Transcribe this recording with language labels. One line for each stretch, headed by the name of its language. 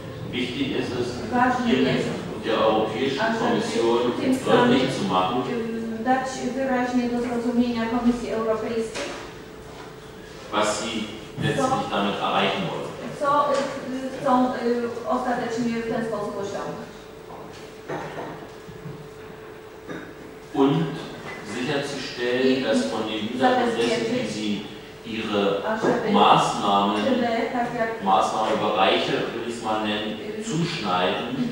German: Wichtig ist es, hier mit der Europäischen Kommission deutlich zu machen,
Polish: dać wyraźnie do zrozumienia Komisji Europejskiej,
German: was sie letztlich damit erreichen wollen.
Polish: Co chcą ostatecznie w ten sposób osiągnąć.
German: Und sicherzustellen, dass von den Hintergrund wie sie ihre Maßnahmen, Maßnahmenbereiche, würde ich es mal nennen, zuschneiden.